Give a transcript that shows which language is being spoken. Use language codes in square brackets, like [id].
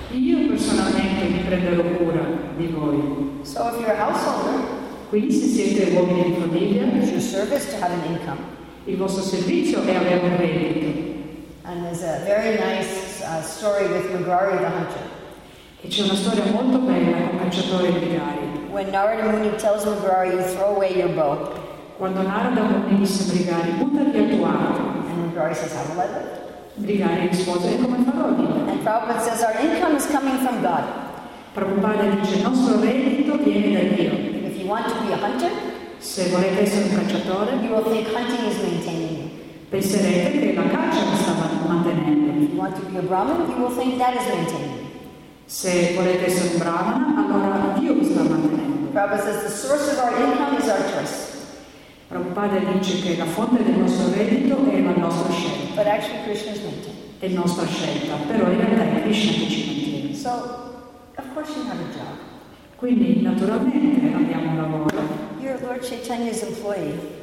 [it] Io personalmente mi prenderò cura di voi. [en] So if you're a householder, [it] quindi se siete uomini di famiglia, [en] it's your service to have an income. [it] Il vostro servizio è avere un reddito. [en] And there's a very nice story with Magari the hunter. [it] E c'è una storia molto bella con cacciatore di gari. [en] When Narada Muni tells Magari, you throw away your bow. [it] Quando Narada Muni disse a Brigari, butta via tuo arco. [en] And Magari says, how will I live? [it] Brigari rispose, come farò a vivere? [en] And Prabhupada says, our income is coming from God. [it] Prabhupada dice, il nostro reddito viene da Dio. [en] If you want to be a hunter, [it] se volete essere un cacciatore, [en] you will think hunting is maintaining you. [it] Penserete che la caccia vi sta mantenendo. [en] If you want to be a Brahmin, you will think that is maintaining you. [it] Se volete essere un brahmana, allora Dio vi sta mantenendo. [en] Prabhupada says the source of our income is our choice. [it] Prabhupada dice che la fonte del nostro reddito è la nostra scelta. [en] But actually Krishna is maintaining. [it] È la nostra scelta, però in realtà è Krishna che ci mantiene. [en] So, of course you have a job. [it] Quindi naturalmente abbiamo un lavoro. [en] You're Lord Chaitanya's employee.